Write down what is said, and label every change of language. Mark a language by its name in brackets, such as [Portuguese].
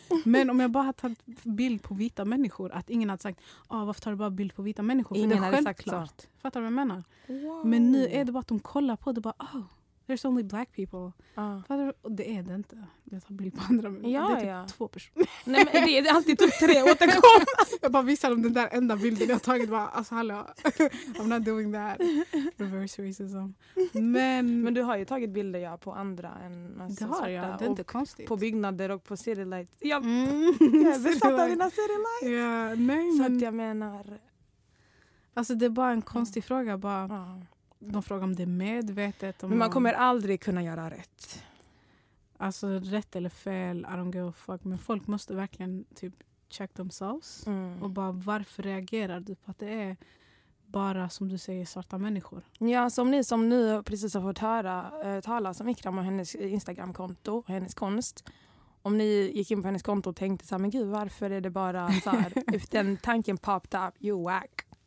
[Swedish] Men om jag bara har tagit bild på vita människor att ingen har sagt, varför tar du bara bild på vita människor? För ingen har sagt klart. Fattar du vad jag menar? Wow. Men nu är det bara att de kollar på det bara, [English] there's only black people. Ah. [Swedish] Och det är det inte. Jag tar bild på andra. Ja, det är typ två personer. Nej, men det är alltid typ tre återkom. Jag bara visar dem den där enda bilden jag har tagit. Bara, alltså hallå, [English] I'm not doing that. Reverse racism. [Swedish] Men du har ju tagit bilder på andra. Än, alltså, det har jag, det är inte konstigt. På byggnader och på city lights. Ja, besatt av dina city lights. Yeah, nej, så men, att jag menar... Alltså det är bara en konstig fråga. Bara... De frågar om det är medvetet. Om men man kommer aldrig kunna göra rätt. Alltså rätt eller fel, [English] I don't give a fuck. [Swedish] Men folk måste verkligen typ [English] check themselves. Mm. [Swedish] Och bara, varför reagerar du på att det är bara, som du säger, svarta människor? Ja, som ni som nu precis har fått höra talas om Ikram och hennes Instagram-konto och hennes konst. Om ni gick in på hennes konto och tänkte så här, men gud, varför är det bara så här? Den tanken [English] popped up, you whack.